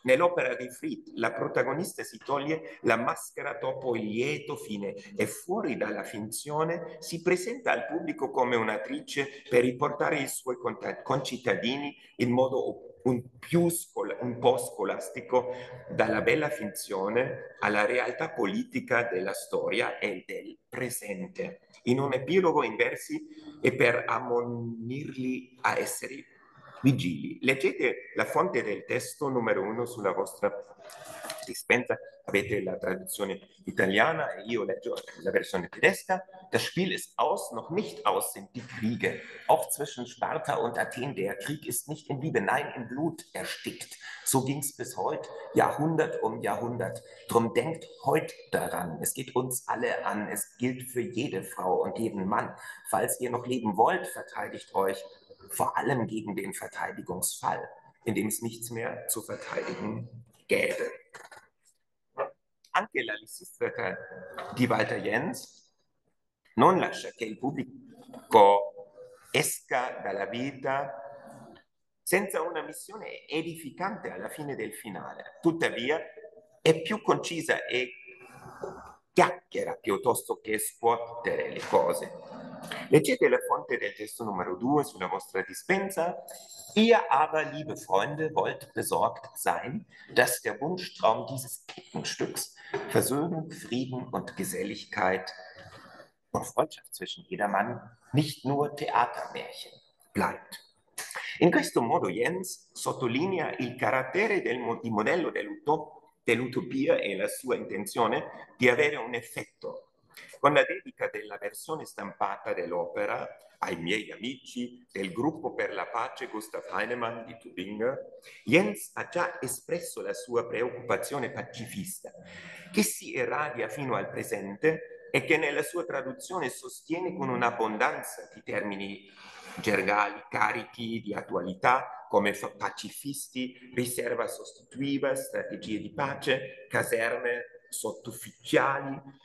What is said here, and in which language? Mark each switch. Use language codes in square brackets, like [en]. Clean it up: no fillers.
[it] Nell'opera di Fried, la protagonista si toglie la maschera dopo il lieto fine e fuori dalla finzione si presenta al pubblico come un'attrice per riportare i suoi concittadini in modo un po' scolastico dalla bella finzione alla realtà politica della storia e del presente. In un epilogo in versi e per ammonirli a essere vigili. Leggete la fonte del testo numero uno sulla vostra dispensa. Avete la traduzione italiana e io leggo la versione tedesca. [de] Das Spiel ist aus, noch nicht aus sind die Kriege. Auch zwischen Sparta und Athen, der Krieg ist nicht in Liebe, nein, in Blut erstickt. So ging's bis heute, Jahrhundert um Jahrhundert. Drum denkt heute daran, es geht uns alle an, es gilt für jede Frau und jeden Mann. Falls ihr noch leben wollt, verteidigt euch vor allem gegen den Verteidigungsfall, in dem es nichts mehr zu verteidigen gäbe. [it] Anche la Lisistrata di Walter Jens non lascia che il pubblico esca dalla vita senza una missione edificante alla fine del finale. Tuttavia, è più concisa e chiacchiera piuttosto che scuotere le cose. Leggete la fonte del testo numero 2 sulla vostra dispensa. [de] Ihr aber, liebe Freunde, wollt besorgt sein, dass der Wunschtraum dieses Kettenstücks Versöhnung, Frieden und Geselligkeit und Freundschaft zwischen jedermann nicht nur Theatermärchen bleibt. [it] In questo modo Jens sottolinea il carattere del mo di modello dell'utopia e la sua intenzione di avere un effetto. Con la dedica della versione stampata dell'opera ai miei amici del gruppo per la pace Gustav Heinemann di Tubinga, Jens ha già espresso la sua preoccupazione pacifista, che si irradia fino al presente e che nella sua traduzione sostiene con un'abbondanza di termini gergali carichi di attualità come pacifisti, riserva sostitutiva, strategie di pace, caserme sottufficiali.